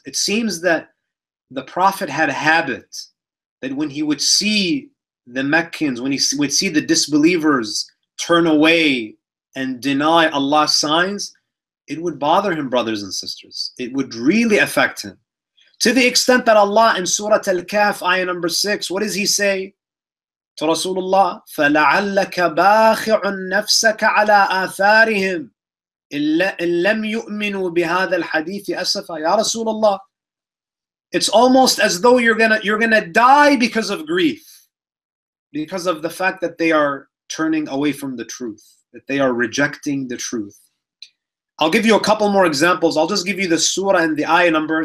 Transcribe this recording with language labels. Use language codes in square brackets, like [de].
[en] It seems that the Prophet had a habit that when he would see the Meccans, when he would see the disbelievers turn away and deny Allah's signs, it would bother him, brothers and sisters. It would really affect him. To the extent that Allah in Surah Al-Kahf, ayah number 6, what does He say? To Rasulullah, [ar] فَلَعَلَّكَ بَاخِعٌ نَفْسَكَ عَلَىٰ آثَارِهِمْ إِن لَمْ يُؤْمِنُوا بِهَذَا الْحَدِيثِ أَسَفًا. [en] Ya Rasulullah, it's almost as though you're gonna die because of grief, because of the fact that they are turning away from the truth, that they are rejecting the truth. I'll give you a couple more examples. I'll just give you the surah and the ayah number.